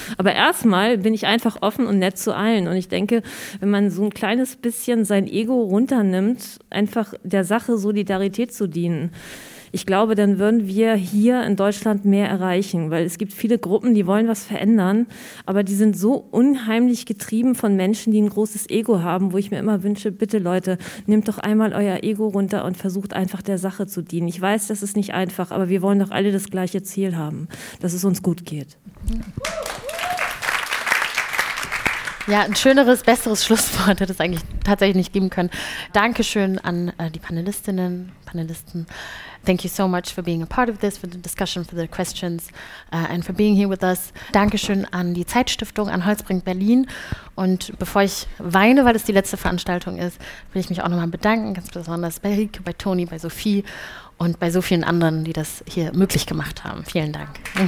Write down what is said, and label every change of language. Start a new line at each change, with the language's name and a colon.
German: Aber erstmal bin ich einfach offen und nett zu allen. Und ich denke, wenn man so ein kleines bisschen sein Ego runternimmt, einfach der Sache Solidarität zu dienen, ich glaube, dann würden wir hier in Deutschland mehr erreichen, weil es gibt viele Gruppen, die wollen was verändern, aber die sind so unheimlich getrieben von Menschen, die ein großes Ego haben, wo ich mir immer wünsche, bitte Leute, nehmt doch einmal euer Ego runter und versucht einfach der Sache zu dienen. Ich weiß, das ist nicht einfach, aber wir wollen doch alle das gleiche Ziel haben, dass es uns gut geht. Ja, ein schöneres, besseres Schlusswort hätte es eigentlich tatsächlich nicht geben können. Dankeschön an die Panelistinnen, Panelisten.
English: Thank you so much for being a part of this, for the discussion, for the questions and for being here with us.
German: Dankeschön an die Zeitstiftung, an Holzbrink Berlin. Und bevor ich weine, weil es die letzte Veranstaltung ist, will ich mich auch nochmal bedanken, ganz besonders bei Rieke, bei Toni, bei Sophie und bei so vielen anderen, die das hier möglich gemacht haben. Vielen Dank.